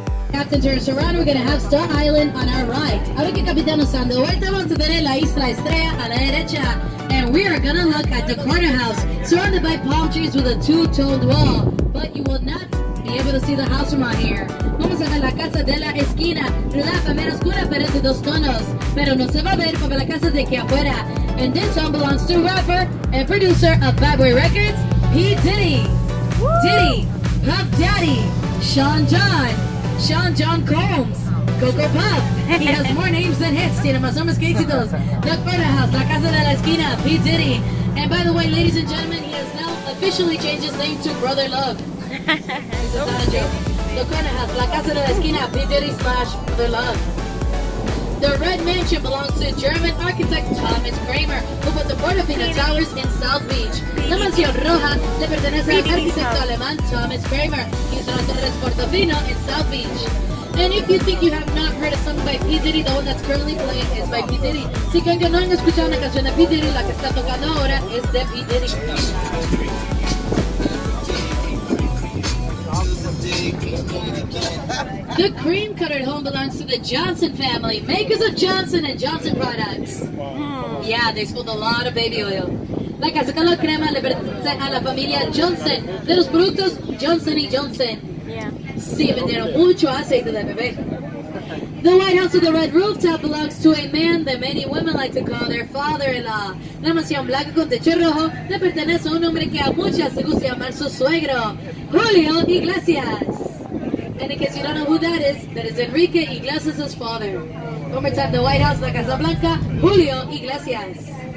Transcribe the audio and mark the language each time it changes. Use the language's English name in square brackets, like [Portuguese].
[English] Captain, turn us around. We're going to have Star Island on our right. [Spanish] Ahora que Capitán nos anda vuelta, vamos a tener la Isla Estrella a la derecha. [English] And we are going to look at the corner house, surrounded by palm trees with a two-toned wall. But you will not be able to see the house from out here. [Spanish] Vamos a ver la casa de la esquina, la primera oscura pared de dos tonos. Pero no se va a ver por la casa de aquí afuera. [English] And this home belongs to rapper and producer of Bad Boy Records, P. Diddy. Woo! Diddy, Puff Daddy, Sean John Combs, Coco Puff. He has more names than hits. [Spanish] Tiene más nombres que éxitos. [English] The Corner House, [Spanish] La Casa de la Esquina, [English] P. Diddy. And by the way, ladies and gentlemen, he has now officially changed his name to Brother Love. It's not a joke. The Corner House, [Spanish] La Casa de la Esquina, [English] P. Diddy / Brother Love. The Red Mansion belongs to German architect Thomas Kramer, who put the Portofino Towers in South Beach. [Spanish] La Mansión Roja le pertenece al arquitecto alemán Thomas Kramer. [English] He's on Torres Portofino in South Beach. And if you think you have not heard a song by P. Diddy, the one that's currently playing is by P. Diddy. [Spanish] Si creen que no han escuchado una canción de P. Diddy, la que está tocando ahora es de P. Diddy. [English] The cream cutter home belongs to the Johnson family, makers of Johnson and Johnson products. Yeah, they spilled a lot of baby oil. [Spanish] La casa con la crema le pertenece a la familia Johnson, de los productos Johnson y Johnson. [English] Yeah. [Spanish] Sí, vendieron mucho aceite de bebé. [English] The White House with the red rooftop belongs to a man that many women like to call their father-in-law. [Spanish] La mansión blanca con techo rojo le pertenece a un hombre que a muchas le gusta llamar su suegro, Julio Iglesias. [English] And in case you don't know who that is Enrique Iglesias' father. One more time, the White House, [Spanish] La Casa Blanca, [English] Julio Iglesias.